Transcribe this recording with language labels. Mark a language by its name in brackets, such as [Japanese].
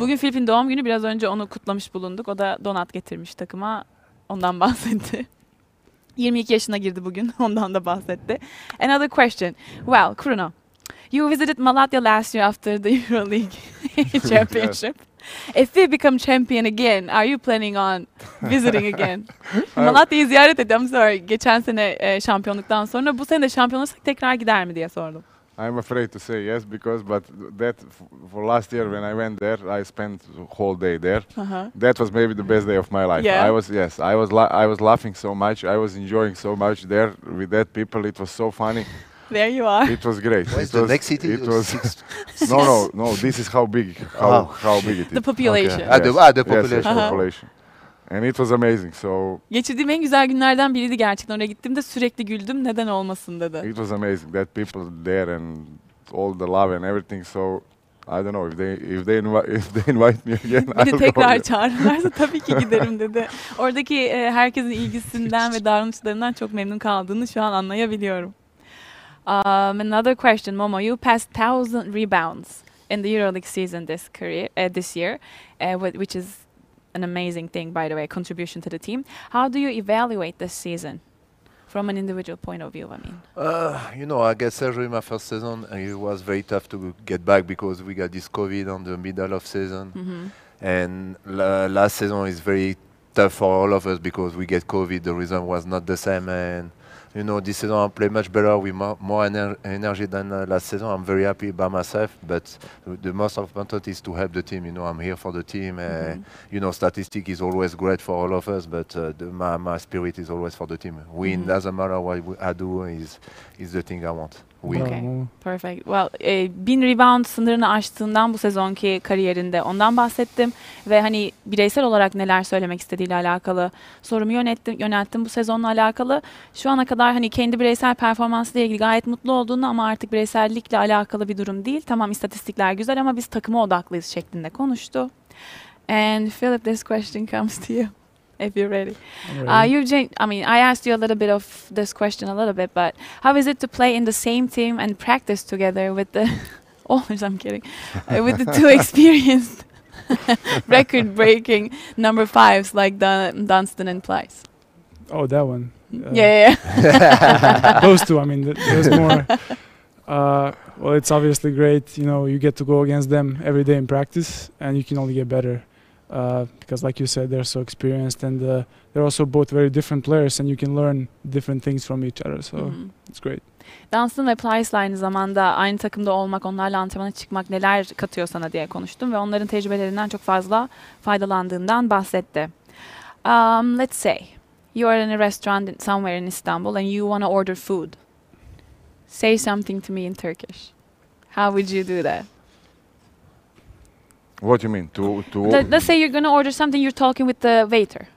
[Turkish] Bugün Filip'in doğum günü. Biraz önce onu kutlamış bulunduk. O da donat getirmiş takıma. Ondan bahsetti. 22 yaşına girdi bugün. Ondan da bahsetti. [English] Another question. Well, Kruno, you visited Malatya last year after the EuroLeague championship. Yes. If you become champion again, are you planning on visiting again? [Turkish] Malatya'yı ziyaret ettim. [English] I'm sorry. [Turkish] Geçen sene şampiyonluktan sonra bu sene de şampiyon olursak tekrar gider mi diye sordum. [English] I'm afraid to say yes because, but that for last year when I went there, I spent the whole day there. Uh-huh. That was maybe the best day of my life. Yeah. I was laughing so much. I was enjoying so much there with that people. It was so funny. There you are. It was great. What it was the next city. It was no. This is how big it is. The population. Okay. Yes. The population. Yes, population. And it was amazing. So [Turkish] geçirdiğim en güzel günlerden biriydi gerçekten. Oraya gittiğimde sürekli güldüm. Neden olmasın dedi. [English] It was amazing that people there and all the love and everything. So I don't know if they invite me again. [Turkish] Beni tekrar çağırırlarsa tabii ki giderim dedi. Oradaki herkesin ilgisinden ve davranışlarından çok memnun kaldığını şu an anlayabiliyorum. [English] Another question, Momo. You passed 1,000 rebounds in the EuroLeague season this year, which is an amazing thing, by the way, contribution to the team. How do you evaluate this season from an individual point of view, I mean? You know, I guess every my first season, it was very tough to get back because we got this COVID on the middle of season. Mm-hmm. And last season is very tough for all of us because we get COVID. The rhythm was not the same. And, you know, this season I play much better with more energy than last season. I'm very happy by myself, but the most important is to help the team. You know, I'm here for the team. Mm-hmm. You know, statistic is always great for all of us, but my spirit is always for the team. Win, mm-hmm. doesn't matter what I do, is the thing I want. Win. Okay, perfect. [Turkish] Well, 1000 rebound sınırını aştığından bu sezonki kariyerinde ondan bahsettim. Ve hani bireysel olarak neler söylemek istediğiyle alakalı sorumu yönelttim bu sezonla alakalı. Şu ana kadar hani kendi bireysel performansıyla ilgili gayet mutlu olduğunu ama artık bireysellikle alakalı bir durum değil. Tamam, istatistikler güzel ama biz takıma odaklıyız şeklinde konuştu. [English] And Philip, this question comes to you. If you're ready. I asked you a little bit of this question a little bit, but how is it to play in the same team and practice together with the with the two experienced record breaking number fives like Dunstan and Plyce? Oh, that one. Yeah. Those two, I mean, there's more. Well, it's obviously great. You know, you get to go against them every day in practice, and you can only get better. Because like you said, they're so experienced, and they're also both very different players, and you can learn different things from each other. So it's great. [Turkish] Dunstan ve Plyce ile aynı zamanda aynı takımda olmak, onlarla antrenmana çıkmak neler katıyor sana diye konuştum ve onların tecrübelerinden çok fazla faydalandığından bahsetti. [English] Let's say you are in a restaurant somewhere in Istanbul and you want to order food. Say something to me in Turkish. How would you do that? What do you mean? To let's say you're going to order something, you're talking with the waiter.